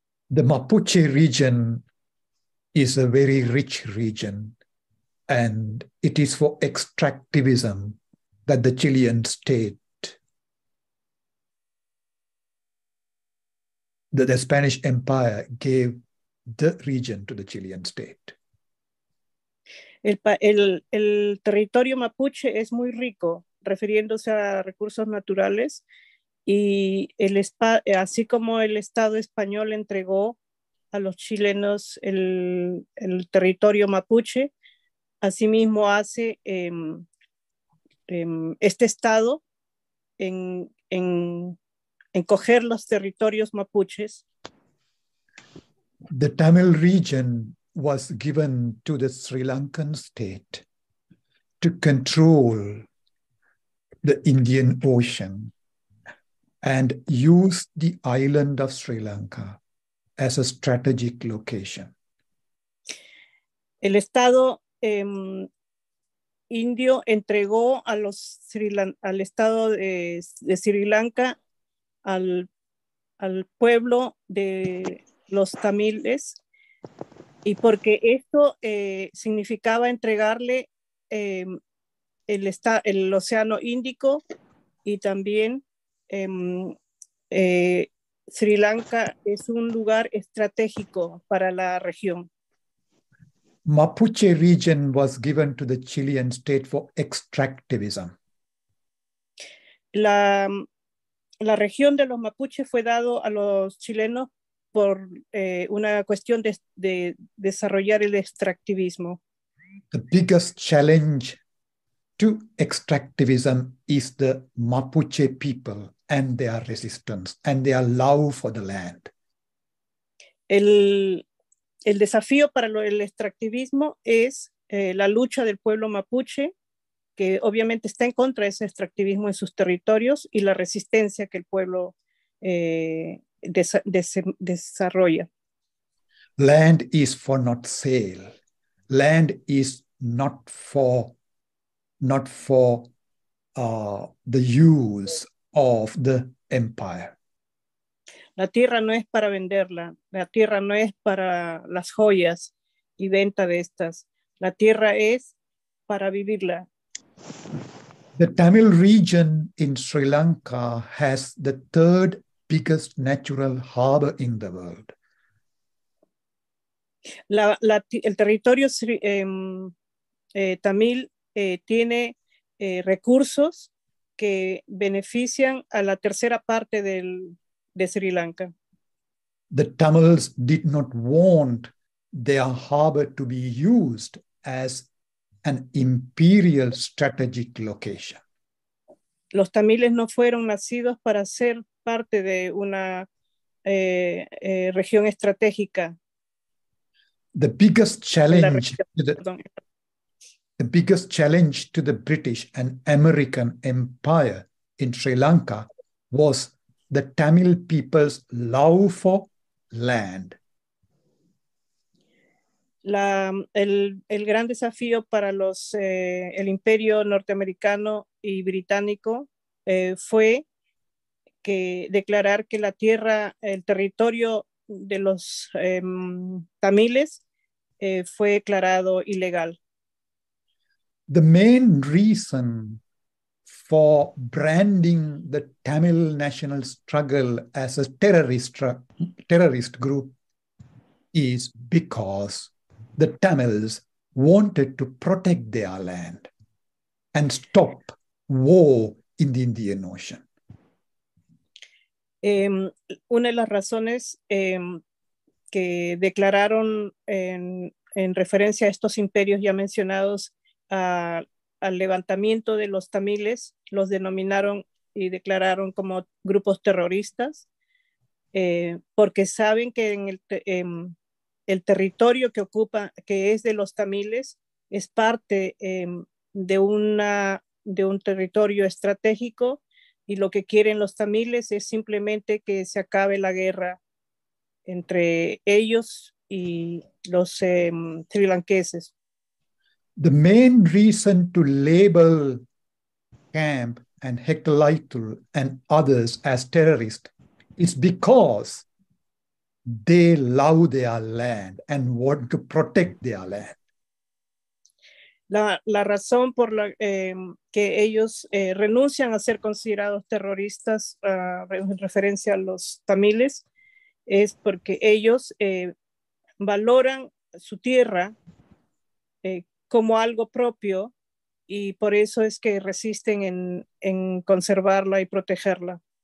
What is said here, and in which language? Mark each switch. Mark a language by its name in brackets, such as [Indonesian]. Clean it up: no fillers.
[English] The Mapuche region is a very rich region, and it is for extractivism that the Chilean state, that the Spanish Empire gave the region to the Chilean state. [Spanish] El territorio Mapuche es muy rico, refiriéndose a recursos naturales, y así como el Estado español entregó a los chilenos el territorio Mapuche, asimismo hace este Estado en coger los territorios mapuches. [English] The Tamil region was given to the Sri Lankan state to control the Indian Ocean and use the island of Sri Lanka as a strategic location. [Spanish] El Estado indio entregó al Estado de Sri Lanka al pueblo de los tamiles, y porque esto significaba entregarle el Océano Índico y también Sri Lanka es un lugar estratégico para la región. [English] Mapuche region was given to the Chilean state for extractivism. [Spanish] La región de los Mapuches fue dado a los chilenos por una cuestión de desarrollar el extractivismo. [English] The biggest challenge to extractivism is the Mapuche people and their resistance and their love for the land. [Spanish] El desafío para el extractivismo es la lucha del pueblo Mapuche, que obviamente está en contra de ese extractivismo en sus territorios, y la resistencia que el pueblo desarrolla. [English] Land is for not sale. Land is not for the use of the empire. [Spanish] La tierra no es para venderla. La tierra no es para las joyas y venta de estas. La tierra es para vivirla. [English] The Tamil region in Sri Lanka has the third biggest natural harbor in the world. [Spanish] El territorio tamil tiene recursos que benefician a la tercera parte de Sri Lanka. [English] The Tamils did not want their harbor to be used as an imperial strategic location. [Spanish] Los tamiles no fueron nacidos para ser parte de una región estratégica. [English] The biggest challenge to the British and American Empire in Sri Lanka was the Tamil people's love for land. [Spanish] El gran desafío para el imperio norteamericano y británico fue que declarar que la tierra, el territorio de los tamiles fue declarado ilegal. [English] The main reason for branding the Tamil national struggle as a terrorist group is because the Tamils wanted to protect their land and stop war in the Indian Ocean. [Spanish] Una de las razones que declararon en referencia a estos imperios ya mencionados al levantamiento de los tamiles, los denominaron y declararon como grupos terroristas, porque saben que en el territorio que ocupa, que es de los tamiles, es parte de un territorio estratégico, y lo que quieren los tamiles es simplemente que se acabe la guerra entre ellos y los srilanqueses. [English] The main reason to label Camp and Hector Lytle and others as terrorists is because they love their land and want to protect their land. [Spanish] La razón por la que ellos renuncian a ser considerados terroristas en referencia a los tamiles es porque ellos valoran su tierra como algo propio y por eso es que resisten en conservarla y protegerla.